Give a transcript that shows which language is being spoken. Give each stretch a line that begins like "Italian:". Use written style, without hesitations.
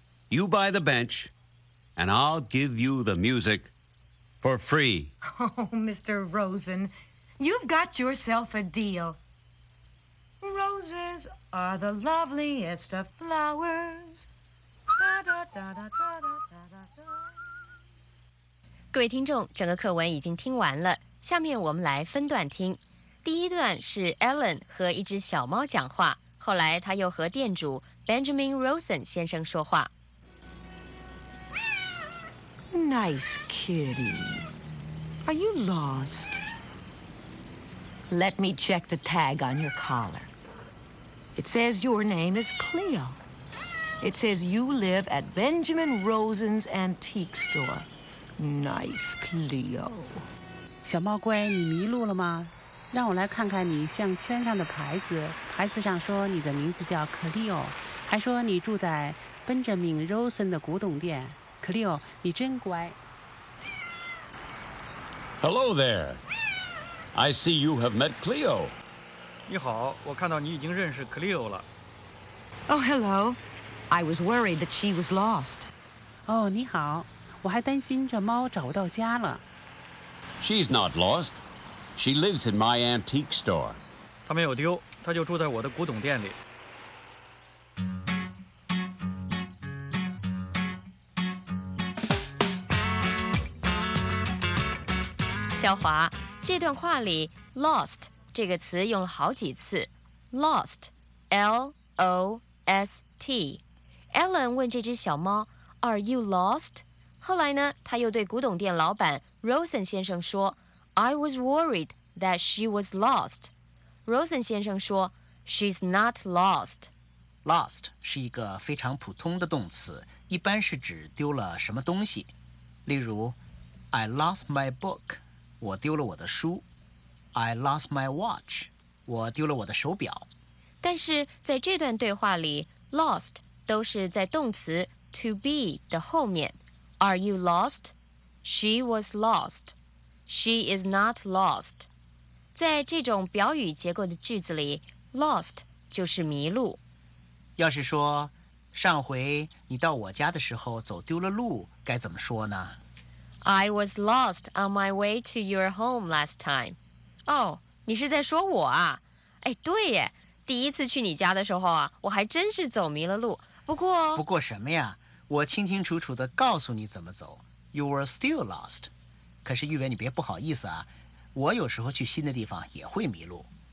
English: You buy the bench, and I'll give you the music for free. Oh, Mr. Rosen, you've got yourself a deal. Roses are the loveliest of flowers. Da, da, da, da, da, da, da, da.
Chinese: 各位听众，整个课文已经听完了，下面我们来分段听。第一段是 Ellen 和一只小猫讲话，后来他又和店主 Benjamin Rosen 先生说话。
English: Nice kitty. Are you lost? Let me check the tag on your collar. It says your name is Cleo. It says you live at Benjamin Rosen's antique store. Nice Cleo.
Chinese: 小猫乖，你迷路了吗？让我来看看你项圈上的牌子，牌子上说你的名字叫 Cleo， 还说你住在 Benjamin Rosen 的古董店。 Cleo， 你真乖。
English: Hello there. I see you have met Cleo.
Chinese: 你好，我看到你已经认识 Cleo 了。
English: Oh, hello. I was worried that she was lost.
Chinese: 哦、oh, ，你好，我还担心这猫找不到家了。
English: She's not lost. She lives in my antique store.
Chinese: 她没有丢，她就住在我的古董店里。小华，这段话里 lost 这个词用了好几次。
English: Lost, L-O-S-T.
Chinese: Ellen 问这只小猫 ，
English: Are you lost？
Chinese: 后来呢，他又对古董店老板 Rosen 先生说 ，
English: I was worried that she was lost。 Rosen
Chinese: 先生说
English: ，She's not lost。
Chinese: Lost 是一个非常普通的动词，一般是指丢了什么东西。例如
English: ，I lost my book。
Chinese: 我丢了我的书
English: ，I lost my watch。
Chinese: 我丢了我的手表。但是在这段对话里 ，lost 都是在动词 to be 的后面。
English: Are you lost? She was lost. She is not lost.
Chinese: 在这种表语结构的句子里 ，lost 就是迷路。要是说上回你到我家的时候走丢了路，该怎么说呢？
English: I was lost on my way to your home last time.
Chinese: 哦、oh, ，你是在说我啊？哎，对耶，第一次去你家的时候啊，我还真是走迷了路。不过什么呀？我清清楚楚地告诉你怎么走。
English: You were still lost.
Chinese: 可是玉伟，你别不好意思啊，我有时候去新的地方也会迷路。